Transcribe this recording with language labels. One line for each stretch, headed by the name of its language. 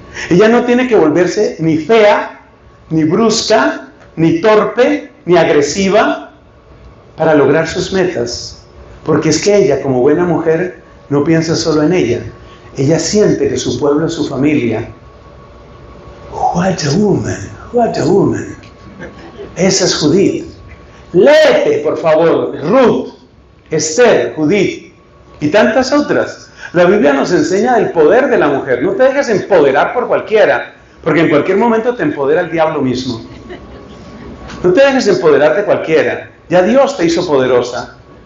Spanish: Ella no tiene que volverse ni fea, ni brusca, ni torpe, ni agresiva para lograr sus metas. Porque es que ella, como buena mujer, no piensa solo en ella. Ella siente que su pueblo es su familia.
English: What a woman, what a woman.
Spanish: Esa es Judith. Léete, por favor, Ruth, Esther, Judith y tantas otras. La Biblia nos enseña del poder de la mujer. No te dejes empoderar por cualquiera, porque en cualquier momento te empodera el diablo mismo. No te dejes empoderar de cualquiera. Ya Dios te hizo poderosa.